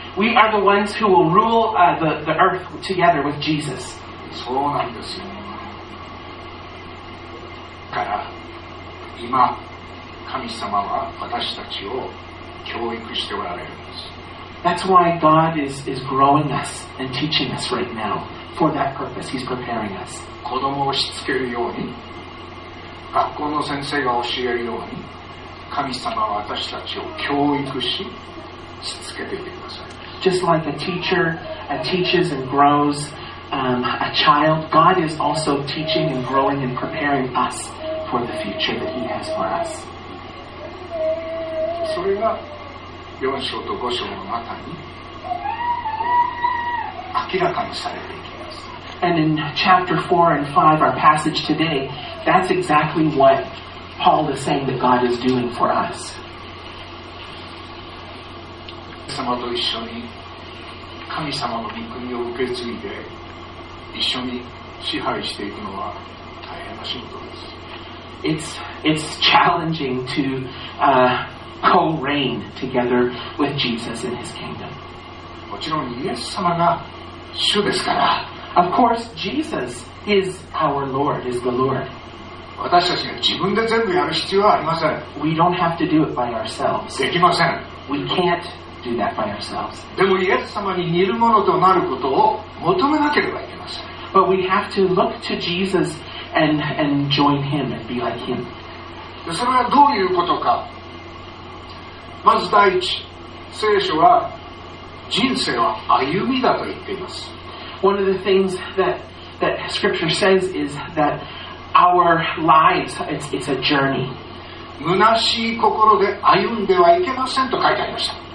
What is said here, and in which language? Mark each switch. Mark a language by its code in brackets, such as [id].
[en] We are the ones who will rule the earth together with Jesus. [ja] そうなんですよ。だから今神様は私たちを教育しておられるんです。 [en] That's why God is growing us and teaching us right now for that purpose. He's preparing us. [ja] 子供をしつけるように、学校の先生が教えるように、神様は私たちを教育し、しつけていてください。 [en] Just like a teacher teaches and grows a child, God is also teaching and growing and preparing us for the future that He has for us. [ja] それが4章と5章の中に明らかにされていきます。 [en] And in chapter 4 and 5, our passage today, that's exactly what Paul is saying that God is doing for us. [ja] 神様と一緒に神様の御国を受け継いで一緒に支配していくのは大変な仕事です。 [en] It's challenging to co-reign together with Jesus in His kingdom. [ja] もちろんイエス様が主ですから。 [en] Of course, Jesus is our Lord, is the Lord. [ja] 私たちが自分で全部やる必要はありません。 [en] We don't have to do it by ourselves. [ja] できません。 [en] We can't do that by ourselves. [ja] でもイエス様に似るものとなることを求めなければいけません。 [en] But we have to look to Jesus and join him and be like him. [ja] でそれはどういうことか。まず第一、聖書は人生は歩みだと言っています。 [en] One of the things that scripture says is that our lives, it's a journey. [ja] 虚しい心で歩んではいけませんと書いてありました。